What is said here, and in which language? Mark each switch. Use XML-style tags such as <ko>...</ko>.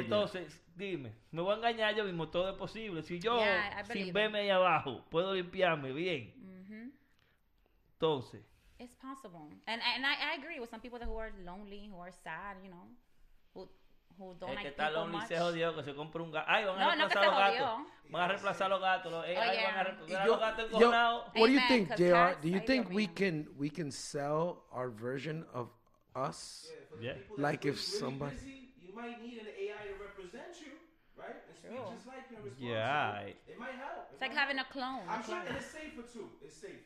<es>Entonces, dime, me voy a engañar yo mismo, todo es posible. Si yo, sin verme ahí abajo, puedo limpiarme bien, Entonces.</es> <en>It's possible. And I agree with some people that who are lonely, who are sad, you know. Who don't</en> <es>el que</es> <en>like</en> <es>está lonely</es> <en>much.</en> <es>Se jodió que se compró un gato. Ay, van a reemplazar los gatos. Van a reemplazar los gatos. Ay, van a reemplazar los gatos encojonados.</es> <en>What do you think, JR? Do you think we can sell our version of us? Yeah. Like if somebody... You might need an AI to represent you. Right? Just like your yeah. It might help. It's like having a clone. I'm sure it's safer too. It's safer.</en>